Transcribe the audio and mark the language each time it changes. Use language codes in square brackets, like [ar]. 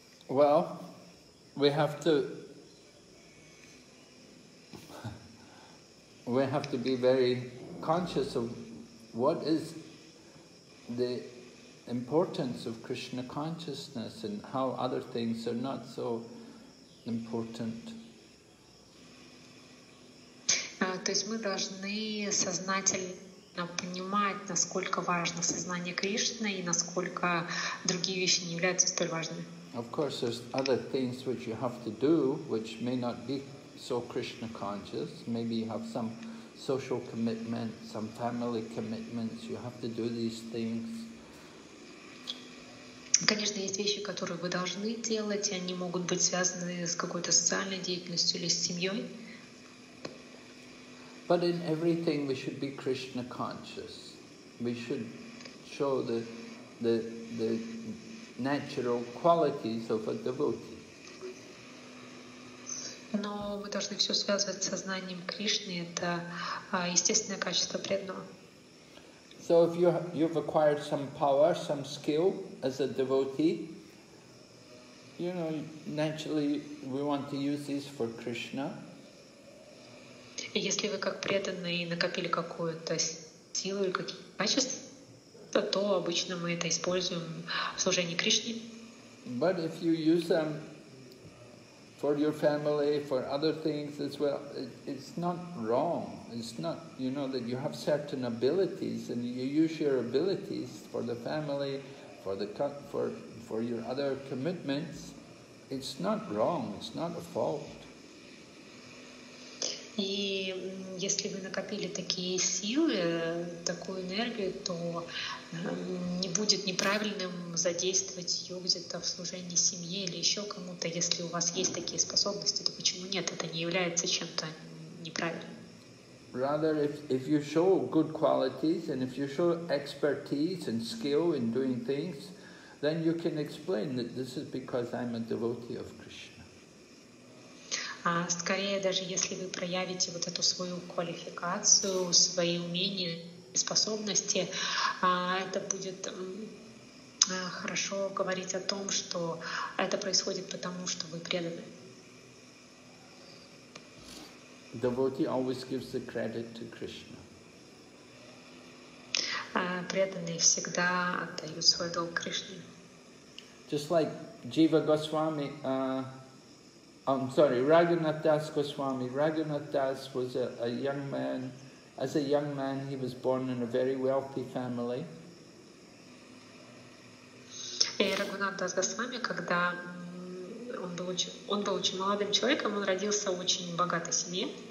[en] Well, we have to be very conscious of what is the importance of Krishna consciousness and how other things are not so important. [ru] То есть мы должны сознательно понимать, насколько важно сознание Кришны и насколько другие вещи не являются столь важными. [en] Of course, there's other things which you have to do, which may not be so Krishna conscious. Maybe you have some social commitments, some family commitments. You have to do these things. [ru] Конечно, есть вещи, которые вы должны делать, и они могут быть связаны с какой-то социальной деятельностью или с семьей. [en] But in everything, we should be Krishna conscious. We should show the natural qualities of a devotee. [ru] Но мы должны все связывать с сознанием Кришны. Это естественное качество преданного. [en] So if you've acquired some power, some skill as a devotee, you know, naturally we want to use this for Krishna. [ru] Если вы как преданный накопили какую-то силу или какие-то качества, то обычно мы это используем в служении Кришне. [en] But if you use them for your family, for other things as well, it's not wrong. It's not, you know, that you have certain abilities and you use your abilities for the family, for your other commitments. It's not wrong. It's not a fault. [ru] И если вы накопили такие силы, такую энергию, то не будет неправильным задействовать ее где-то в служении семье или еще кому-то, если у вас есть такие способности, то почему нет? Это не является чем-то неправильным. [en] Rather, if you show good qualities and if you show expertise and skill in doing things, then you can explain that this is because I'm a devotee of Krishna. [ru] Скорее, даже если вы проявите вот эту свою квалификацию, свои умения, способности, это будет хорошо говорить о том, что это происходит потому, что вы преданы. [en] Devotee always gives the credit to Krishna. [ru] Преданные всегда отдают свой долг Кришне. [en] Just like Jiva Goswami, I'm sorry, Raghunath Das Goswami. Raghunath Das was a young man. As a young man, he was born in a very wealthy family. [ru] Raghunath Das Goswami, когда он был очень молодым человеком, он родился в очень богатой семье.